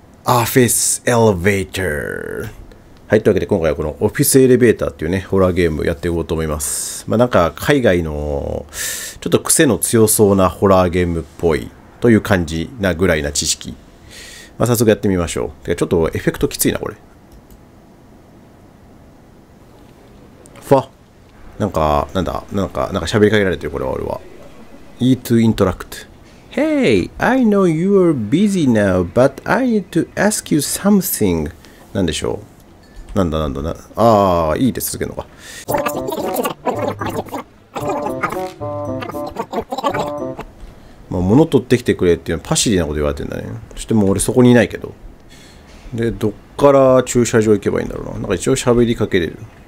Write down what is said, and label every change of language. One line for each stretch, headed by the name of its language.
Japanese: オフィスエレベーター、はい、というわけで今回はこのオフィスエレベーターっていうねホラーゲームやっていこうと思います。まあなんか海外のちょっと癖の強そうなホラーゲームっぽいという感じなぐらいな知識。まあ早速やってみましょう。てかちょっとエフェクトきついなこれ。ファなんかなんだなんかなんか喋りかけられてる。これは俺は
English: E to interactHey, I know you're busy now, but I need to ask you something.
Japanese: 何でしょう？なんだなんだな。ああ、いいです。続けるのか。まあ、物取ってきてくれっていうのはパシリなこと言われてんだね。そしてもう俺そこにいないけど。で、どっから駐車場行けばいいんだろうな。なんか一応喋りかけれる。